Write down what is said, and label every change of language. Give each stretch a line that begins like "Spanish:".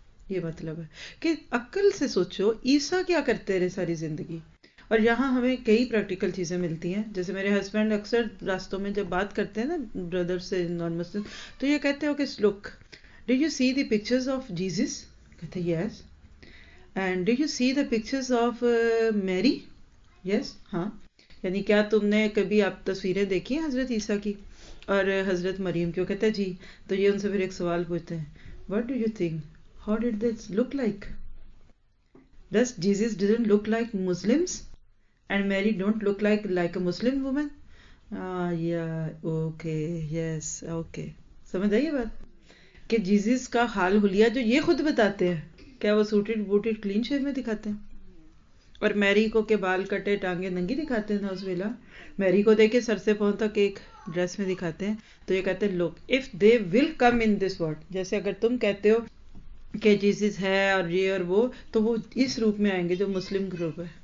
Hindi: ये मतलब है कि अक्ल से सोचो, ईसा क्या करते रहे सारी जिंदगी। और यहाँ हमें कई प्रैक्टिकल चीज़ें मिलती हैं, जैसे मेरे हस्बैंड अक्सर रास्तों में जब बात करते हैं ना ब्रदर से नॉन मुस्लिम, तो ये कहते हो कि look,
English: Did you see the pictures of Jesus?
Hindi: कहते
English: yes. And did you see the pictures of Mary? Yes,
Hindi: हाँ. यानी क्या तुमने कभी आप तस्वीरें देखी हैं हजरत ईसा की और हजरत मरियम की? कहते जी. तो ये उनसे फिर एक सवाल पूछते हैं,
English: What do you think? How did this look like? Does Jesus didn't look like Muslims? And Mary don't look like a Muslim woman? Yeah. Okay. Yes. Okay.
Hindi: समझ आई बात? कि जीजस का हाल हुलिया जो ये खुद बताते हैं, क्या वो सूटेड बूटेड क्लीन शेव में दिखाते हैं? और मैरी को के बाल कटे टांगे नंगी दिखाते हैं ना उस वेला? मैरी को देखे सर से पांव तक एक ड्रेस में दिखाते हैं? तो ये कहते हैं look,
English: if they will come in this world,
Hindi: जैसे अगर तुम कहते हो कि जीजस है और ये और वो, तो वो इस रूप में आएंगे जो मुस्लिम ग्रुप है।